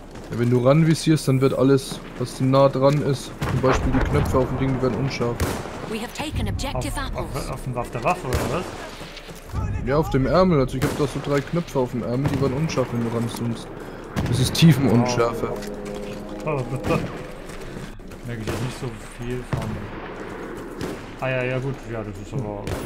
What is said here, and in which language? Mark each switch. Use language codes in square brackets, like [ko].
[de] Ja, wenn du ranvisierst, dann wird alles, was nah dran ist, zum Beispiel die Knöpfe auf dem Ding, werden unscharf. [en] We have taken objective apples. [de] Auf der Waffe oder was? Ja, auf dem Ärmel. Also ich habe da so drei Knöpfe auf dem Ärmel, die waren unscharf, wenn du ranzoomst. Das ist Tiefenunschärfe. Wow. Merke ich jetzt nicht so viel von. Ah ja, ja gut, ja, das ist aber.